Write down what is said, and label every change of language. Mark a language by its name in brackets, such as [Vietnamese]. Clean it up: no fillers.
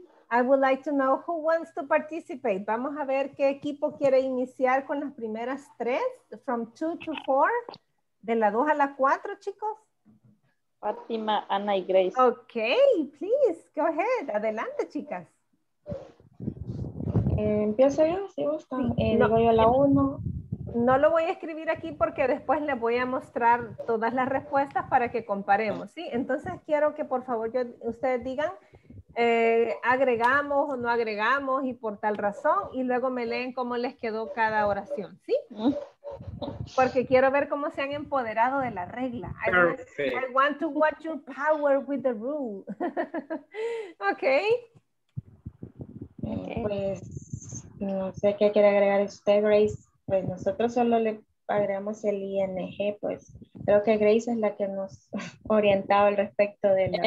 [English] I would like to know who wants to participate. [Spanish] Vamos a ver qué equipo quiere iniciar con las primeras tres, [English] from 2 to 4, [Spanish] de la 2 a la 4, chicos. Fátima, Ana y Grace. [English] Ok, please, go ahead. [Spanish] Adelante, chicas. Empiezo yo, si gustan. Luego yo la 1. No lo voy a escribir aquí porque después les voy a mostrar todas las respuestas para que comparemos, ¿sí? Entonces quiero que por favor ustedes digan, agregamos o no agregamos y por tal razón, y luego me leen cómo les quedó cada oración, ¿sí? Porque quiero ver cómo se han empoderado de la regla. [English] Perfect. I want to watch your power with the rule. Ok. [Spanish] Pues no sé qué quiere agregar usted, Grace. Pues nosotros solo le agregamos el ING, pues creo que Grace es la que nos orientaba al respecto de la...